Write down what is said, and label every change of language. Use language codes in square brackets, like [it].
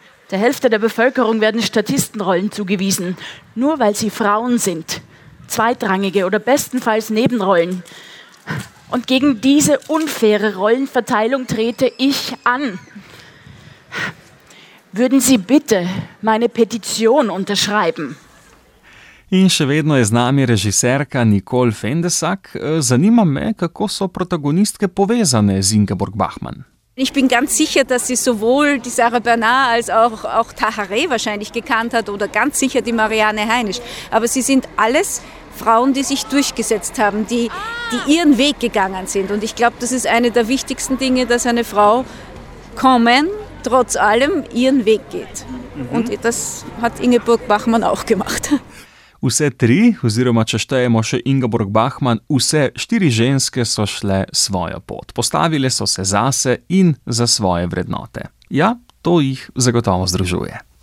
[de] Der Hälfte der Bevölkerung werden Statistenrollen zugewiesen, nur weil sie Frauen sind. Zweitrangige oder bestenfalls Nebenrollen. Und gegen diese unfaire Rollenverteilung trete ich an. Würden Sie bitte meine Petition unterschreiben? [sl] In še vedno je z nami režiserka Nicole Fendesack. Zanima me, kako so protagonistke povezane z Ingeborg Bachmann. [de] Ich bin ganz sicher, dass sie sowohl die Sarah Bernhardt als auch Tahereh wahrscheinlich gekannt hat oder ganz sicher die Marianne Heinisch. Aber sie sind alles Frauen, die sich durchgesetzt haben, die ihren Weg gegangen sind. Und ich glaube, das ist eine der wichtigsten Dinge, dass eine Frau kommen, trotz allem ihren Weg geht. Mhm. Und das hat Ingeborg Bachmann auch gemacht. [sl] Vse tri, oziroma če štejemo še Ingeborg Bachmann, vse štiri ženske so šle svojo pot. Postavile so se zase in za svoje vrednote. Ja, to jih zagotovo združuje.